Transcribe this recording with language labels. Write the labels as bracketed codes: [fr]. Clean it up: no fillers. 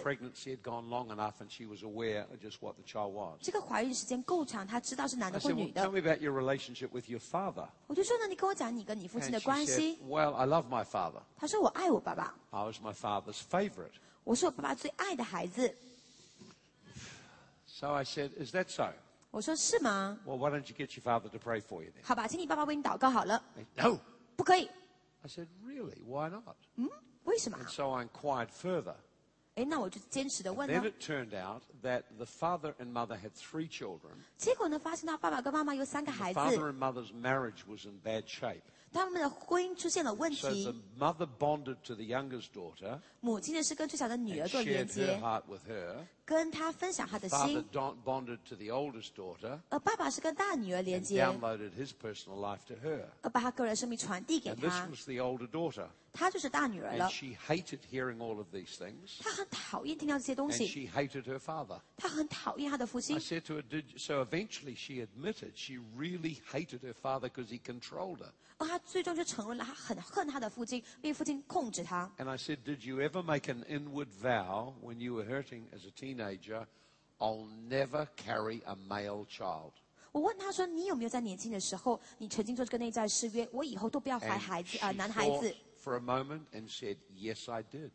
[en] Pregnancy had gone long enough and she was aware of just what the child was. [zh] 这个怀孕时间够长，她知道是男的或女的。 [en] I said, well, tell me about your relationship with your father. [zh] 我就说呢，你跟我讲你跟你父亲的关系。 [en] And she said, well, I love my father. [zh] 她说我爱我爸爸。 [en] I was my father's favorite. [zh] 我是我爸爸最爱的孩子。 [en] So I said, is that so? [zh] 我说是吗？ [en] Well, why don't you get your father to pray for you then? [zh] 好吧，请你爸爸为你祷告好了。 [en] No. [zh] 不可以。 [en] I said, really? Why not? [zh] 为什么? [en] And so I inquired further. [zh] 诶，那我就坚持地问了。 [en] Then it turned out that the father and mother had three children. [zh] 结果呢，发现到爸爸跟妈妈有三个孩子。 [en] The father and mother's marriage was in bad shape. [zh] 他们的婚姻出现了问题。 [en] So the mother bonded to the youngest daughter. [zh] 母亲呢是跟最小的女儿做连接。 [en] And shared her heart with her. [zh] 跟她分享她的心。 [en] Father bonded to the oldest daughter. [zh] 爸爸是跟大女儿连接。 [en] And downloaded his personal life to her. [zh] 把她个人生命传递给她。 [en] And this was the older daughter. [zh] 她就是大女儿了。 [en] And she hated hearing all of these things. [zh] 她很讨厌听到这些东西。 [en] And she hated her father. [zh] 她很讨厌她的父亲。 [en] I said to her, so eventually she admitted she really hated her father because he controlled her. [zh] 她最终就承认了她很恨她的父亲，因为父亲控制她。 [en] And I said, did you ever make an inward vow when you were hurting as a teenager, I'll never carry a male child? [zh] 我问她说，你有没有在年轻的时候，你曾经做这个内在誓约，我以后都不要怀孩子， [en] and she [zh] 男孩子。 [en] For a moment and said, yes, I did.